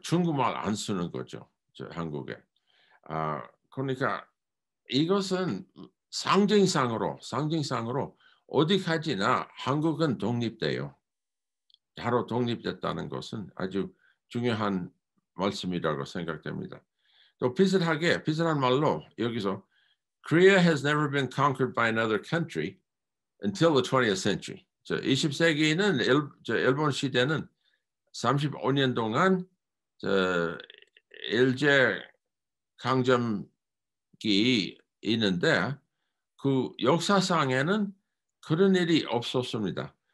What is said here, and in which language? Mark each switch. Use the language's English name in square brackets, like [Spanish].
[Korean] 중국말 안 쓰는 거죠. 한국에. 그러니까 이것은 상징상으로 어디 가지나 한국은 독립돼요. 바로 독립됐다는 것은 아주 중요한 말씀이라고 생각됩니다. 또 비슷한 말로 여기서 [English] Korea has never been conquered by another country until the 20th century. [Korean] 20세기는 일본 시대는 35년 동안 일제 강점기 있는데 그 역사상에는 그런 일이 없었습니다.